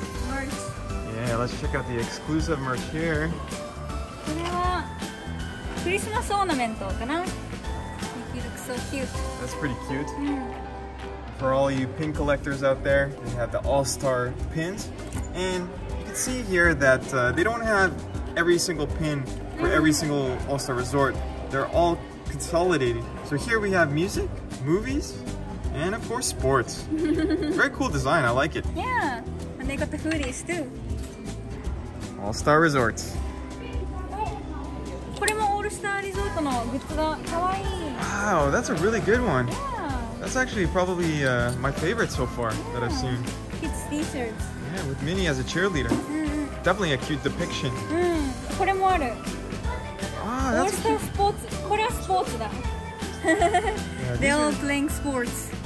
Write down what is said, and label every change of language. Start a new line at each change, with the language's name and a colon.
English: Yeah, let's check out the exclusive merch here.
Japanese: これはクリスマスオーナメントかな?
English: Mickey looks so cute. That's pretty cute. For all you pin collectors out there, they have the All-Star pins. And you can see here that they don't have every single pin for every single All-Star resort. They're all consolidated. So here we have music, movies, and of course sports. Very cool design, I like it. Yeah, and they got the hoodies too. All Star Resorts.
Japanese: これもオールスターリゾートのグッズがかわいい。
English: Wow, that's a really good one. Yeah. That's actually probably my favorite so far that I've seen. Kids T-shirts. Yeah, with Minnie as a cheerleader. Definitely a cute depiction.
Japanese: これもある。
English: Ah, that's cute.
Japanese: オールスタースポーツ。これはスポーツだ。
English: They're all playing sports.